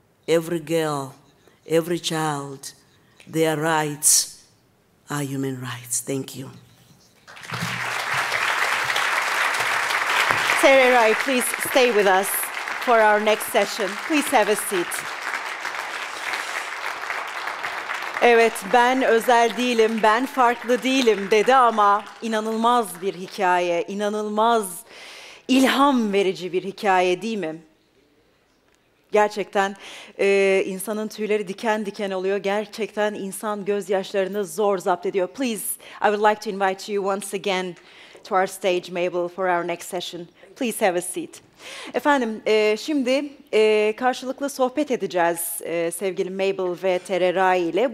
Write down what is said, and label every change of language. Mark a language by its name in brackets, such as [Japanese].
[English] Every girl, every child, their rights are human rights. Thank you. Sarah Rai, please stay with us for our next session. Please have a seat. [Turkish] Evet, ben özel değilim, ben farklı değilim dedi ama inanılmaz bir hikaye, inanılmaz ilham verici bir hikaye değil mi? Gerçekten insanın tüyleri diken diken oluyor. Gerçekten insan gözyaşlarını zor zapt ediyor. [English] Please, I would like to invite you once again to our stage, Mabel, for our next session. Please have a seat. [Turkish] Efendim, şimdi karşılıklı sohbet edeceğiz sevgili Mabel ve Tere Rai ile.